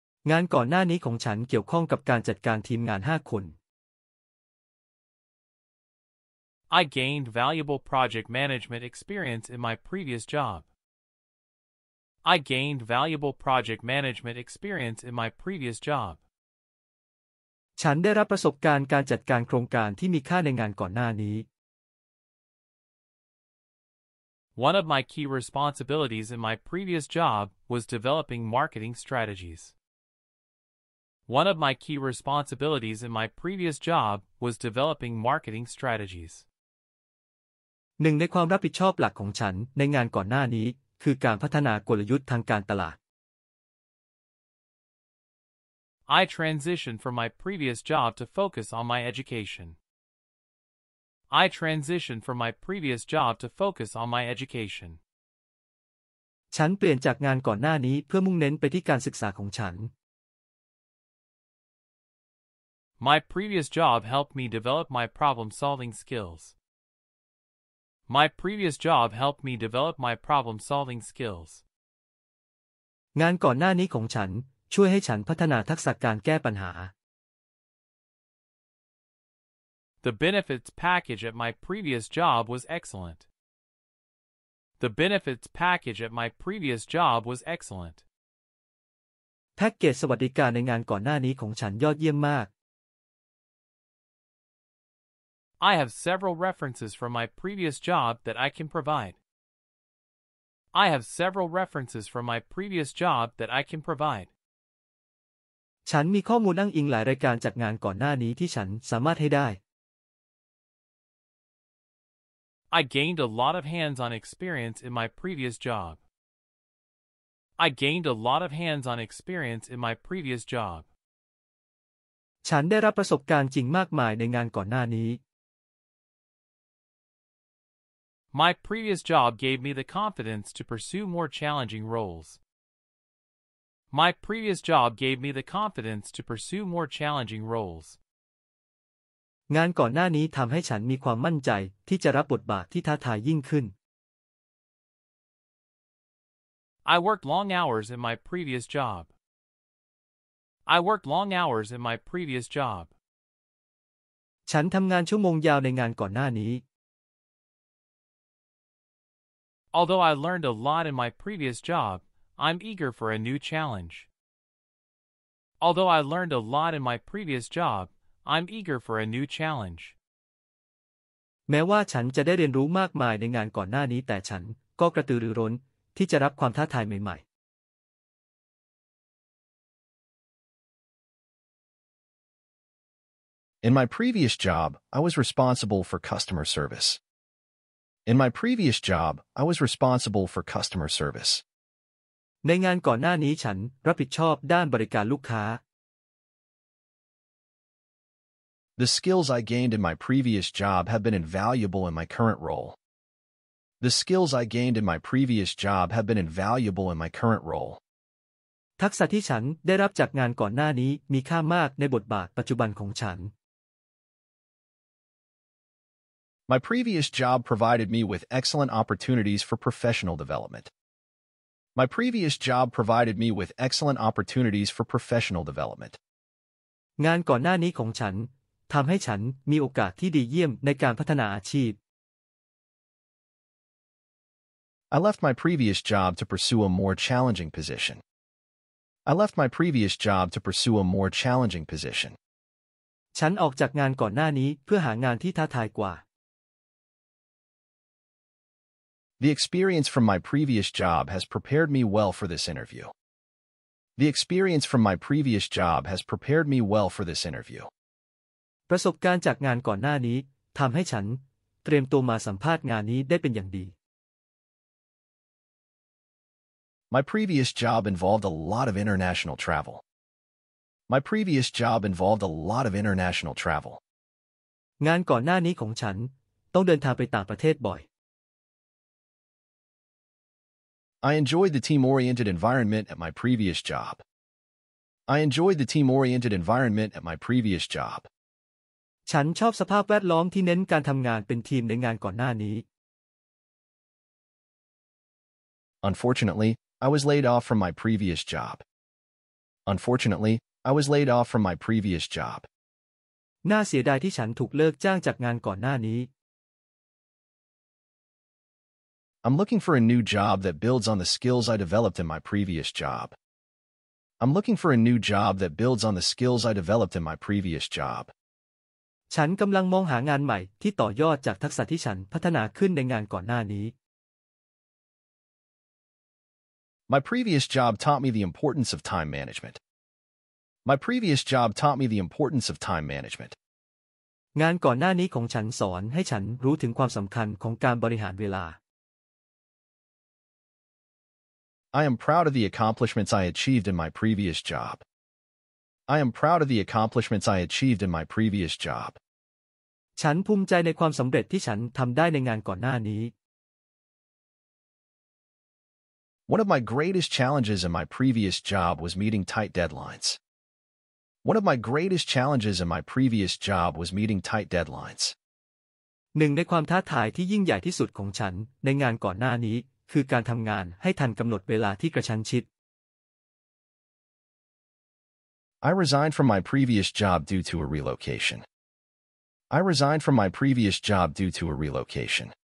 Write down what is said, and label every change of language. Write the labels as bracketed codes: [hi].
[th] งานก่อนหน้านี้ของฉันเกี่ยวข้องกับการจัดการทีมงาน5คน [en] I gained valuable project management experience in my previous job. I gained valuable project management experience in my previous job. [th] ฉันได้รับประสบการณ์การจัดการโครงการที่มีค่าในงานก่อนหน้านี้ [en] One of my key responsibilities in my previous job was developing marketing strategies. One of my key responsibilities in my previous job was developing marketing strategies. [th] หนึ่งในความรับผิดชอบหลักของฉันในงานก่อนหน้านี้คือการพัฒนากลยุทธ์ทางการตลาด [en] I transitioned from my previous job to focus on my education. I transitioned from my previous job to focus on my education. [th] ฉันเปลี่ยนจากงานก่อนหน้านี้เพื่อมุ่งเน้นไปที่การศึกษาของฉัน [en] My previous job helped me develop my problem-solving skills. My previous job helped me develop my problem-solving skills. [th] งานก่อนหน้านี้ของฉันช่วยให้ฉันพัฒนาทักษะการแก้ปัญหา [en] The benefits package at my previous job was excellent. The benefits package at my previous job was excellent. [th] แพ็กเกจสวัสดิการในงานก่อนหน้านี้ของฉันยอดเยี่ยมมาก [en] I have several references from my previous job that I can provide. I have several references from my previous job that I can provide. [th] ฉันมีข้อมูลอ้างอิงหลายรายการจากงานก่อนหน้านี้ที่ฉันสามารถให้ได้ [en] I gained a lot of hands-on experience in my previous job. I gained a lot of hands-on experience in my previous job. [th] ฉันได้รับประสบการณ์จริงมากมายในงานก่อนหน้านี้ [en] My previous job gave me the confidence to pursue more challenging roles. My previous job gave me the confidence to pursue more challenging roles. [th] งานก่อนหน้านี้ทำให้ฉันมีความมั่นใจที่จะรับบทบาทที่ท้าทายยิ่งขึ้น [en] I worked long hours in my previous job. I worked long hours in my previous job. [th] ฉันทำงานชั่วโมงยาวในงานก่อนหน้านี้ [en] Although I learned a lot in my previous job, I'm eager for a new challenge. Although I learned a lot in my previous job, I'm eager for a new challenge. [th] แม้ว่าฉันจะได้เรียนรู้มากมายในงานก่อนหน้านี้แต่ฉันก็กระตือรือร้นที่จะรับความท้าทายใหม่ๆ [en] In my previous job, I was responsible for customer service. In my previous job, I was responsible for customer service. [th] ในงานก่อนหน้านี้ฉันรับผิดชอบด้านบริการลูกค้า [en] The skills I gained in my previous job have been invaluable in my current role. The skills I gained in my previous job have been invaluable in my current role. [th] ทักษะที่ฉันได้รับจากงานก่อนหน้านี้มีค่ามากในบทบาทปัจจุบันของฉัน [en] My previous job provided me with excellent opportunities for professional development. My previous job provided me with excellent opportunities for professional development. [th] งานก่อนหน้านี้ของฉันทำให้ฉันมีโอกาสที่ดีเยี่ยมในการพัฒนาอาชีพ [en] I left my previous job to pursue a more challenging position. I left my previous job to pursue a more challenging position. [th] ฉันออกจากงานก่อนหน้านี้เพื่อหางานที่ท้าทายกว่า [en] The experience from my previous job has prepared me well for this interview. The experience from my previous job has prepared me well for this interview. [th] ประสบการณ์จากงานก่อนหน้านี้ทำให้ฉันเตรียมตัวมาสัมภาษณ์งานนี้ได้เป็นอย่างดี [en] My previous job involved a lot of international travel. My previous job involved a lot of international travel. [th] งานก่อนหน้านี้ของฉันต้องเดินทางไปต่างประเทศบ่อย [en] I enjoyed the team-oriented environment at my previous job. I enjoyed the team-oriented environment at my previous job. [th] ฉันชอบสภาพแวดล้อมที่เน้นการทำงานเป็นทีมในงานก่อนหน้านี้ [en] Unfortunately, I was laid off from my previous job. Unfortunately, I was laid off from my previous job. [th] น่าเสียดายที่ฉันถูกเลิกจ้างจากงานก่อนหน้านี้ [en] I'm looking for a new job that builds on the skills I developed in my previous job. I'm looking for a new job that builds on the skills I developed in my previous job. [th] ฉันกำลังมองหางานใหม่ที่ต่อยอดจากทักษะที่ฉันพัฒนาขึ้นในงานก่อนหน้านี้ [en] My previous job taught me the importance of time management. My previous job taught me the importance of time management. [th] งานก่อนหน้านี้ของฉันสอนให้ฉันรู้ถึงความสำคัญของการบริหารเวลา [en] I am proud of the accomplishments I achieved in my previous job. I am proud of the accomplishments I achieved in my previous job. [th] ฉันภูมิใจในความสำเร็จที่ฉันทำได้ในงานก่อนหน้านี้ [en] One of my greatest challenges in my previous job was meeting tight deadlines. One of my greatest challenges in my previous job was meeting tight deadlines. [th] หนึ่งในความท้าทายที่ยิ่งใหญ่ที่สุดของฉันในงานก่อนหน้านี้คือการทำงานให้ทันกำหนดเวลาที่กระชั้นชิด [en] I resigned from my previous job due to a relocation. I resigned from my previous job due to a relocation.